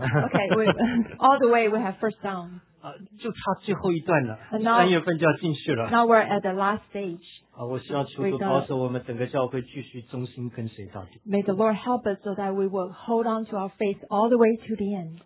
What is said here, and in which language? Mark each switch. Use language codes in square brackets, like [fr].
[en] Okay, all the way we have first down. [zh] 就差最后一段了，三月份就要进去了。 [en] Now we're at the last stage. [zh] 我希望求主保守我们整个教会继续忠心跟随到底。 [en] May the Lord help us so that we will hold on to our faith all the way to the end.